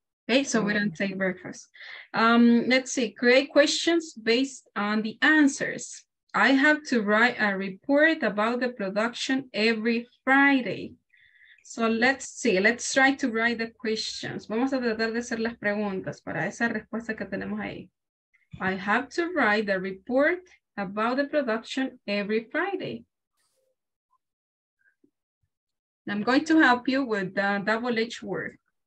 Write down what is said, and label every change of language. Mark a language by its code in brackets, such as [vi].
[en] Okay, so we don't take breakfast. Let's see, create questions based on the answers. I have to write a report about the production every Friday. So let's see, let's try to write the questions. [es] Vamos a tratar de hacer las preguntas para esa respuesta que tenemos ahí. [en] I have to write a report about the production every Friday. I'm going to help you with the double H word.